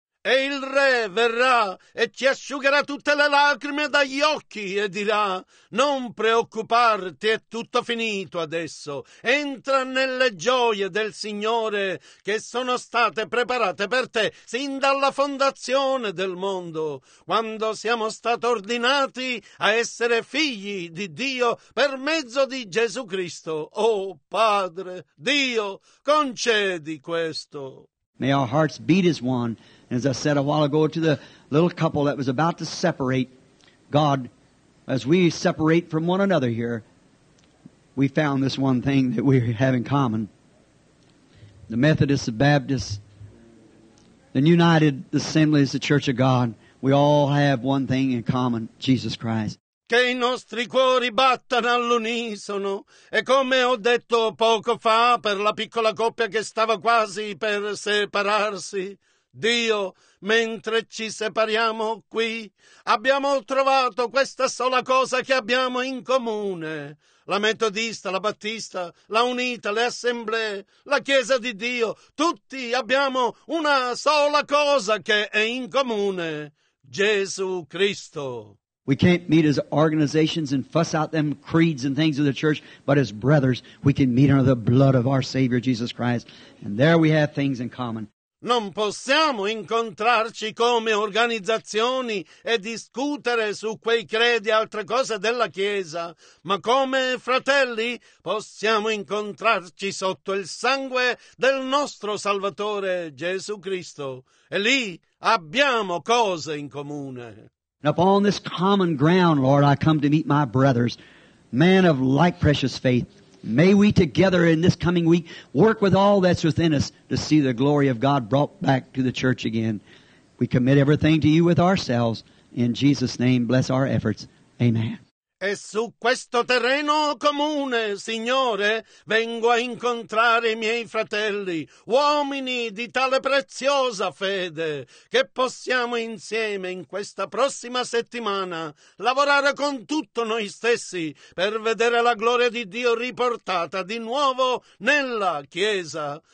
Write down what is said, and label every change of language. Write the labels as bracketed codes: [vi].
[it] E il re verrà e ci asciugherà tutte le lacrime dagli occhi e dirà, non preoccuparti, è tutto finito adesso. Entra nelle gioie del Signore che sono state preparate per te sin dalla fondazione del mondo, quando siamo stati ordinati a essere figli di Dio per mezzo di Gesù Cristo. Oh Padre, Dio, concedi questo. [en] May our hearts beat as one. As I said a while ago to the little couple that was about to separate, God, as we separate from one another here, we found this one thing that we have in common. The Methodists, the Baptists, the United Assemblies, the Church of God, we all have one thing in common, Jesus Christ. [it] Che i nostri cuori battano all'unisono. E come ho detto poco fa per la piccola coppia che stava quasi per separarsi, Dio, mentre ci separiamo qui, abbiamo trovato questa sola cosa che abbiamo in comune. La Metodista, la Battista, la Unita, le Assemblee, la Chiesa di Dio, tutti abbiamo una sola cosa che è in comune, Gesù Cristo. [en] We can't meet as organizations and fuss out them creeds and things of the church, but as brothers, we can meet under the blood of our Savior Jesus Christ. And there we have things in common. [it] Non possiamo incontrarci come organizzazioni e discutere su quei credi e altre cose della Chiesa, ma come fratelli possiamo incontrarci sotto il sangue del nostro Salvatore Gesù Cristo. E lì abbiamo cose in comune. [en] And upon this common ground, Lord, I come to meet my brothers, men of like precious faith. May we together in this coming week work with all that's within us to see the glory of God brought back to the church again. We commit everything to you with ourselves. In Jesus' name, bless our efforts. Amen. [it] E su questo terreno comune, Signore, vengo a incontrare i miei fratelli, uomini di tale preziosa fede, che possiamo insieme in questa prossima settimana lavorare con tutto noi stessi per vedere la gloria di Dio riportata di nuovo nella Chiesa.